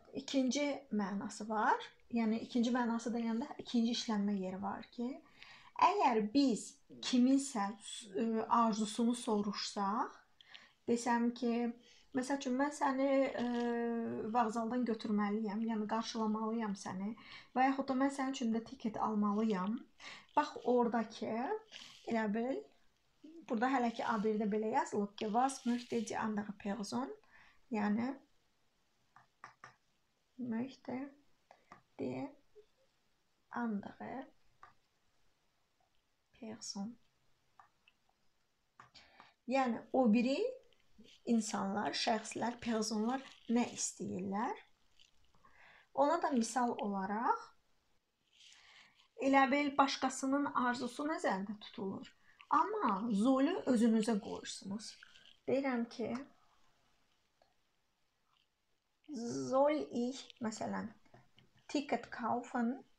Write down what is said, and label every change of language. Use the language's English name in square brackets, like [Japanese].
[Azerbaijani] ikinci mənası var. Yəni ikinci mənası deyəndə ikinci işlənmə yeri var ki, əgər biz kiminsə arzusunu soruşsaq, desəm ki, məsəl üçün mən səni vağzaldan götürməliyəm, yəni qarşılamalıyam səni və yaxud da mən sənin üçün də tiket almalıyam. Bax oradakı elə bil burada hələ ki A1-də belə yazılıb ki, [German] was möchte die andere Person? [Azerbaijani] Yəni [German] möchte die andere Person. [Azerbaijani] Yəni o biri insanlar, şəxslər, personlar nə istəyirlər? Ona da misal olaraq elə bil başqasının arzusu nəzərdə tutulur. Amma zolu özünüzə qoyursunuz. Deyirəm ki, [German] soll ich, [Azerbaijani] məsələn, [German] ticket kaufen?